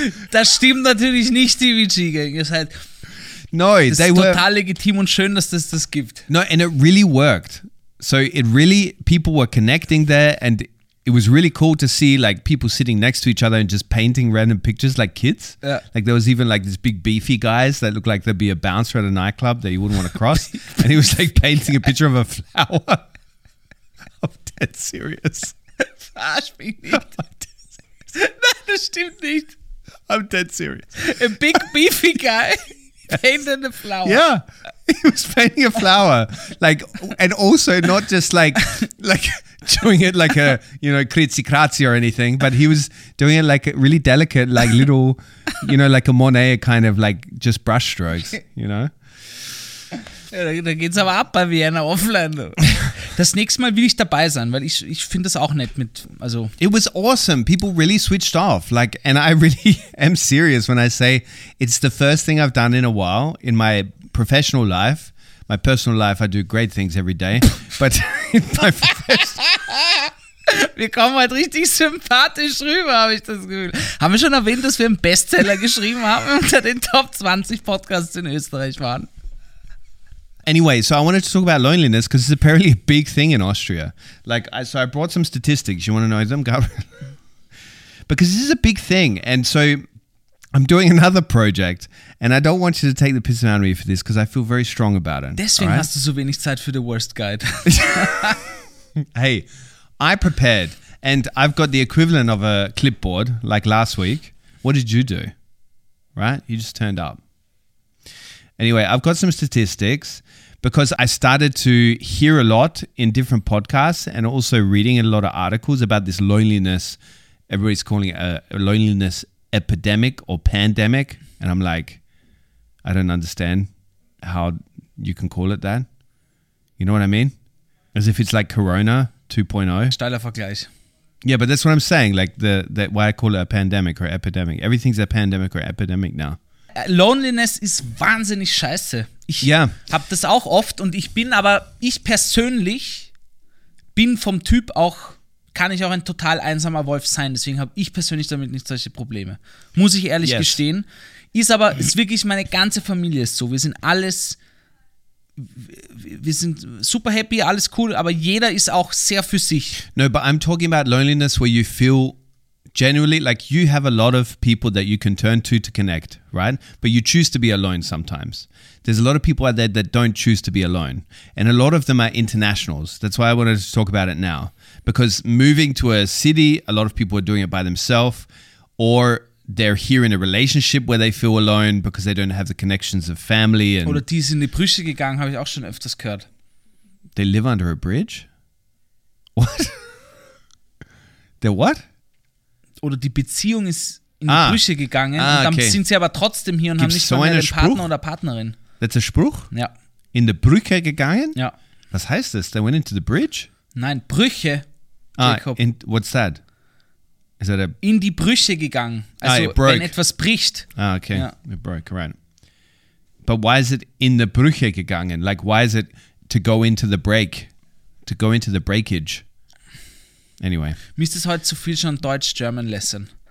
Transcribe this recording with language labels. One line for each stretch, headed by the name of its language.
German: Das stimmt natürlich nicht, die VG-Gang. Ihr seid...
English: No,
German: das
English: they
German: ist
English: were
German: total legitim und schön, dass das gibt.
English: No, and it really worked. So it really, people were connecting there and it was really cool to see like people sitting next to each other and just painting random pictures like kids. Yeah. Like there was even like these big beefy guys that looked like there'd be a bouncer at a nightclub that you wouldn't want to cross. And he was like painting a picture of a flower. I'm dead serious.
German: Verarsch mich nicht.
English: I'm dead serious.
German: Nein, das stimmt nicht.
English: I'm dead serious. A big beefy guy. Painted a flower. Yeah, he was painting a flower. Like, and also not just like doing it like a, you know, kritzi kratzi or anything, but he was doing it like a really delicate, like little, you know, like a Monet kind of like just brush strokes, you know?
German: Ja, da geht's aber ab bei Vienna Offline. Das nächste Mal will ich dabei sein, weil ich finde das auch nett mit, also.
English: It was awesome. People really switched off. Like, and I really am serious when I say it's the first thing I've done in a while in my professional life. My personal life, I do great things every day. But in my
German: Wir kommen halt richtig sympathisch rüber, habe ich das Gefühl. Haben wir schon erwähnt, dass wir einen Bestseller geschrieben haben unter den Top 20 Podcasts in Österreich waren?
English: Anyway, so I wanted to talk about loneliness because it's apparently a big thing in Austria. Like, I brought some statistics. You want to know them? Because this is a big thing. And so I'm doing another project and I don't want you to take the piss out of me for this because I feel very strong about it.
German: Deswegen hast du so wenig Zeit für the worst guide.
English: Hey, I prepared and I've got the equivalent of a clipboard like last week. What did you do? Right? You just turned up. Anyway, I've got some statistics because I started to hear a lot in different podcasts and also reading a lot of articles about this loneliness. Everybody's calling it a loneliness epidemic or pandemic. And I'm like, I don't understand how you can call it that. You know what I mean? As if it's like Corona 2.0.
German: Steiler Vergleich.
English: Yeah, but that's what I'm saying. Like that why I call it a pandemic or epidemic. Everything's a pandemic or epidemic now.
German: Loneliness ist wahnsinnig scheiße. Ich hab das auch oft und ich persönlich bin vom Typ auch, kann ich auch ein total einsamer Wolf sein. Deswegen habe ich persönlich damit nicht solche Probleme. Muss ich ehrlich gestehen. Ist wirklich, meine ganze Familie ist so. Wir sind super happy, alles cool, aber jeder ist auch sehr für sich.
English: No, but I'm talking about loneliness where you feel genuinely like you have a lot of people that you can turn to connect, right? But you choose to be alone sometimes. There's a lot of people out there that don't choose to be alone. And a lot of them are internationals. That's why I wanted to talk about it now. Because moving to a city, a lot of people are doing it by themselves, or they're here in a relationship where they feel alone because they don't have the connections of family. And
German: oder die sind in die Brüche gegangen, habe ich auch schon öfters gehört.
English: They live under a bridge? What? They're what?
German: Oder die Beziehung ist in die Brüche gegangen und dann sind sie aber trotzdem hier und haben nicht so einen Partner oder Partnerin.
English: That's a Spruch?
German: Ja. In die Brücke gegangen? Ja. Was heißt das?
English: They went into the bridge?
German: Nein, Brüche.
English: Jacob. What's that? Is that a
German: in die Brüche gegangen. Also,
English: it broke.
German: Wenn etwas bricht.
English: Ah, okay. Yeah. It broke, right. But why is it in the Brüche gegangen? Like, why is it to go into the break? To go into the breakage? Anyway.
German: Mir ist das heute zu viel schon Deutsch-German-Lesson.